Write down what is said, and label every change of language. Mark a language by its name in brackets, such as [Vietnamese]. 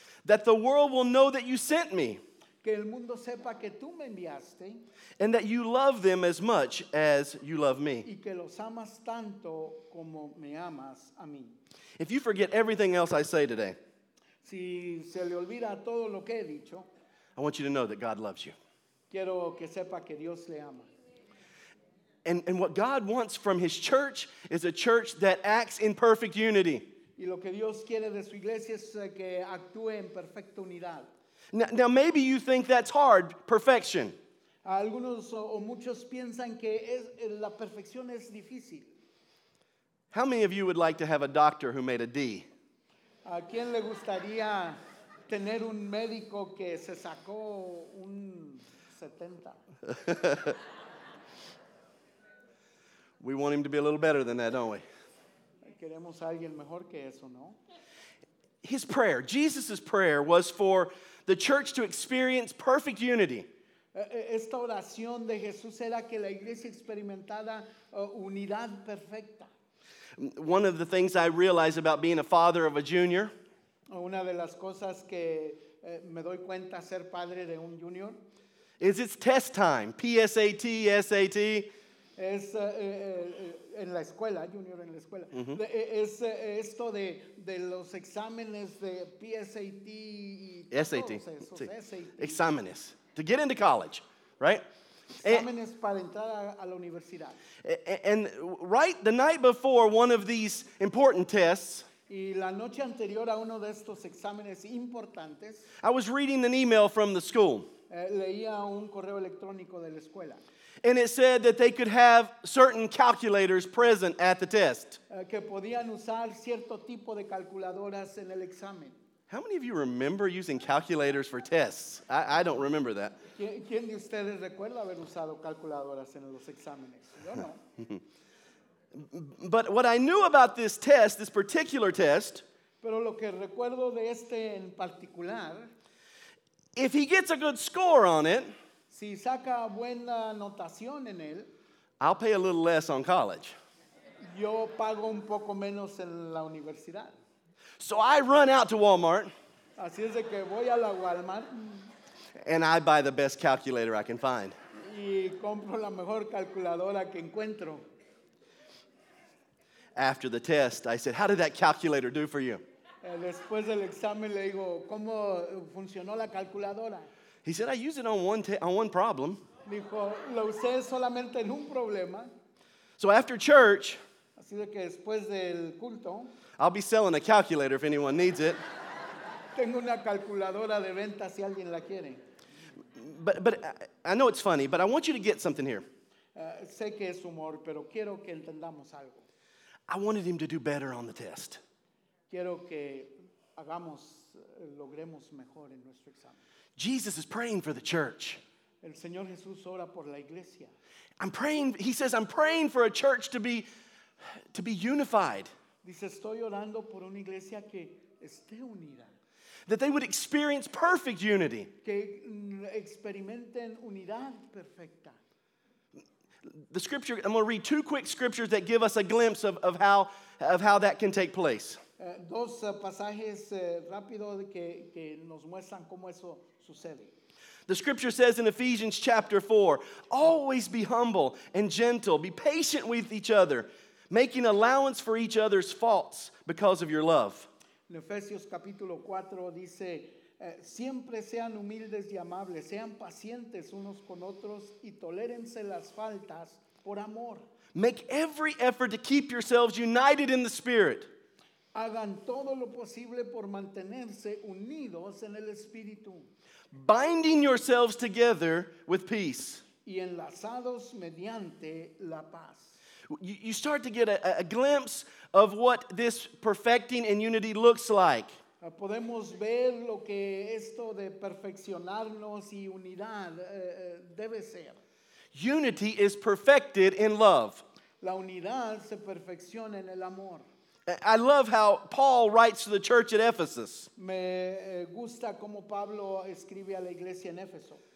[English] That the world will know that you sent me, [Spanish] que el mundo sepa que tú me enviaste, [English] and that you love them as much as you love me. [Spanish] Y que los amas tanto como me amas a mí. [English] If you forget everything else I say today, [Spanish] si se le olvida todo lo que he dicho, [English] I want you to know that God loves you. [Spanish] Quiero que sepa que Dios le ama. [English] And what God wants from his church is a church that acts in perfect unity. [Spanish] Y lo que Dios quiere de su iglesia es que actúe en perfecta unidad. [English] Now maybe you think that's hard, perfection. [Spanish] Algunos o muchos piensan que es la perfección es difícil. [English] How many of you would like to have a doctor who made a D? [Spanish] ¿A quién le gustaría tener un médico que se sacó un 70? [English] We want him to be a little better than that, don't we? [Spanish] Queremos a alguien mejor que eso, ¿no? [English] His prayer, Jesus' prayer, was for the church to experience perfect unity. [Spanish] Esta oración de Jesús era que la iglesia experimentara unidad perfecta. [English] One of the things I realize about being a father of a junior. [Spanish] Una de las cosas que me doy cuenta ser padre de un junior. [English] Is it's test time, PSAT, SAT. [Spanish] Es en la escuela, junior en la escuela. Mm-hmm. Es esto de los exámenes de PSAT. [English] SAT. Exámenes. To get into college, right? [Spanish] Exámenes para entrar a la universidad. [English] And right the night before one of these important tests, [Spanish] y la noche anterior a uno de estos exámenes importantes, [English] I was reading an email from the school. [Spanish] Leía un correo electrónico de la escuela. [English] And it said that they could have certain calculators present at the test. [Spanish] Que podían usar cierto tipo de calculadoras en el examen. [English] How many of you remember using calculators for tests? I don't remember that. [Spanish] ¿Quién de ustedes recuerda haber usado calculadoras en los exámenes? Yo no. [English] But what I knew about this test, this particular test, [Spanish] pero lo que recuerdo de este en particular, [English] if he gets a good score on it, [Spanish] si saca buena notación en él, [English] I'll pay a little less on college. [Spanish] Yo pago un poco menos en la universidad. [English] So I run out to Walmart. [Spanish] Así es de que voy a la Walmart. [English] And I buy the best calculator I can find. [Spanish] Y compro la mejor calculadora que encuentro. [English] After the test, I said, "How did that calculator do for you?" [Spanish] Después del examen le digo, "¿Cómo funcionó la calculadora?" [English] He said, "I use it on one problem." [Spanish] Dijo, "Lo usé solamente en un problema." [English] So after church, [Spanish] así de que después del culto, [English] I'll be selling a calculator if anyone needs it. [Spanish] Tengo una calculadora de venta si alguien la quiere. [English] But I know it's funny, but I want you to get something here. [Spanish] Sé que es humor, pero quiero que entendamos algo. [English] I wanted him to do better on the test. [Spanish] Quiero que hagamos, logremos mejor en nuestro examen. [English] Jesus is praying for the church. [Spanish] El Señor Jesús ora por la iglesia. [English] I'm praying, he says, I'm praying for a church to be unified. [Spanish] Dice, estoy orando por una iglesia que esté unida. [English] That they would experience perfect unity. [Spanish] Que experimenten unidad perfecta. [English] The scripture, I'm going to read two quick scriptures that give us a glimpse of how that can take place. [Spanish] Dos pasajes rápido que nos muestran cómo eso sucede. [English] The scripture says in Ephesians chapter 4, always be humble and gentle, be patient with each other, making allowance for each other's faults because of your love. [Spanish] En Efesios capítulo 4 dice, siempre sean humildes y amables, sean pacientes unos con otros y tolérense las faltas por amor. [English] Make every effort to keep yourselves united in the Spirit. [Spanish] Hagan todo lo posible por mantenerse unidos en el Espíritu. [English] Binding yourselves together with peace. [Spanish] Y enlazados mediante la paz. [English] You start to get a glimpse of what this perfecting and unity looks like. [Spanish] Podemos ver lo que esto de perfeccionarnos y unidad debe ser. [English] Unity is perfected in love. [Spanish] La unidad se perfecciona en el amor. [English] I love how Paul writes to the church at Ephesus. [Spanish] Me gusta como Pablo escribe a la iglesia en Éfeso.